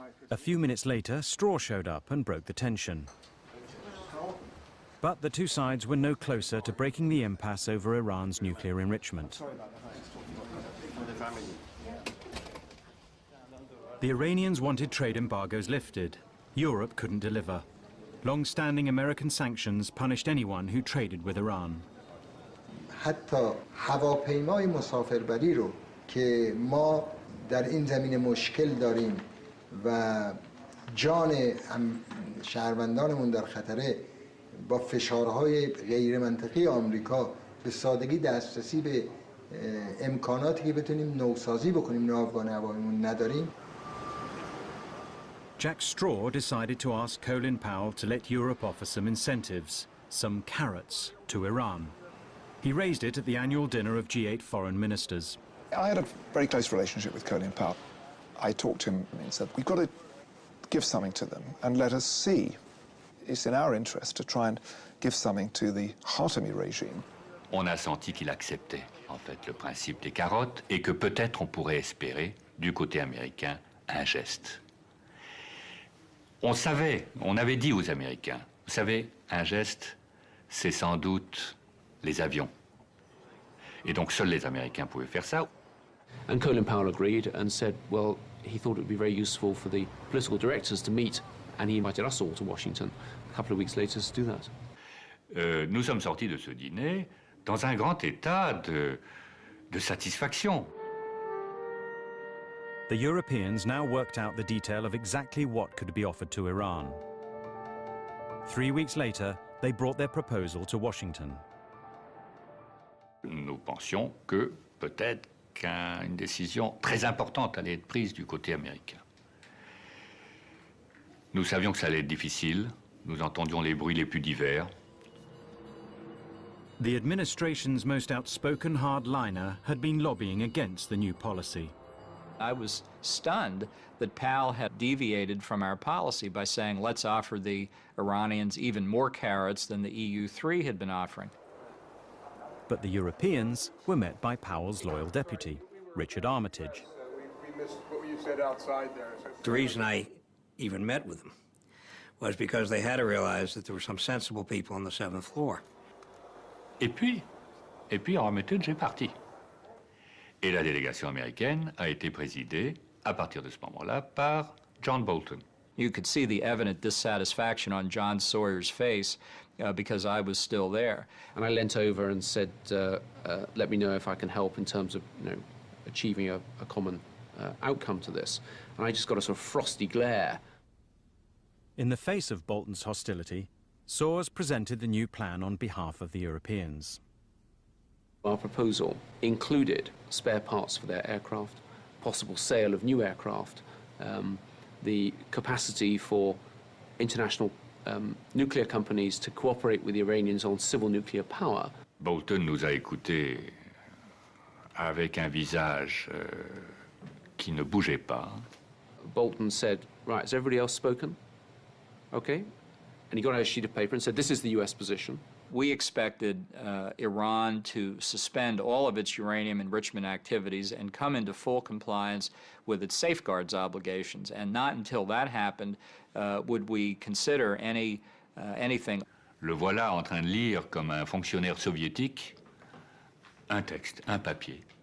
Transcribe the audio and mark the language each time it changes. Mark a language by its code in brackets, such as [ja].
[en] A few minutes later, Straw showed up and broke the tension. But the two sides were no closer to breaking the impasse over Iran's nuclear enrichment. The Iranians wanted trade embargoes lifted. Europe couldn't deliver. Long-standing American sanctions punished anyone who traded with Iran. [fa] حتی هواپیمای مسافربری رو که ما در این زمینه مشکل داریم و جان شهروندانمون در خطره با فشارهای غیر منطقی آمریکا به سادگی دسترسی به امکاناتی که بتونیم نوسازی بکنیم ناوگان هواپیمامون نداریم. [en] Jack Straw decided to ask Colin Powell to let Europe offer some incentives, some carrots, to Iran. He raised it at the annual dinner of G8 foreign ministers. I had a very close relationship with Colin Powell. I talked to him and said, we've got to give something to them and let us see. It's in our interest to try and give something to the Khatami regime. [fr] On a senti qu'il acceptait, en fait, le principe des carottes et que peut-être on pourrait espérer, du côté américain, un geste. On savait, on avait dit aux Américains, vous savez, un geste, c'est sans doute les avions. Et donc seuls les Américains pouvaient faire ça. [en] And Colin Powell agreed and said, well, he thought it would be very useful for the political directors to meet, and he invited us all to Washington a couple of weeks later to do that. [fr] Nous sommes sortis de ce dîner dans un grand état de satisfaction. [en] The Europeans now worked out the detail of exactly what could be offered to Iran. 3 weeks later, they brought their proposal to Washington. [fr] Nous pensions que peut-être qu'une décision très importante allait être prise du côté américain. Nous savions que ça allait être difficile. Nous entendions les bruits les plus divers. [en] The administration's most outspoken hardliner had been lobbying against the new policy. I was stunned that Powell had deviated from our policy by saying, let's offer the Iranians even more carrots than the EU3 had been offering. But the Europeans were met by Powell's loyal deputy, Richard Armitage. We missed what you said outside there. The reason I even met with them was because they had to realize that there were some sensible people on the seventh floor. [fr] Et puis Armitage est parti. Et la délégation américaine a été présidée, à partir de ce moment-là, par John Bolton. [en] You could see the evident dissatisfaction on John Sawyer's face because I was still there. And I leant over and said, let me know if I can help in terms of, you know, achieving a common outcome to this. And I just got a sort of frosty glare. In the face of Bolton's hostility, Soares presented the new plan on behalf of the Europeans. Our proposal included spare parts for their aircraft, possible sale of new aircraft, the capacity for international nuclear companies to cooperate with the Iranians on civil nuclear power. [fr] Bolton nous a écoutés avec un visage qui ne bougeait pas. [en] Bolton said, right, has everybody else spoken? Okay. And he got out a sheet of paper and said, this is the U.S. position. We expected Iran to suspend all of its uranium enrichment activities and come into full compliance with its safeguards obligations. And not until that happened would we consider anything. [fr] Le voilà en train de lire comme un fonctionnaire soviétique un texte, un papier.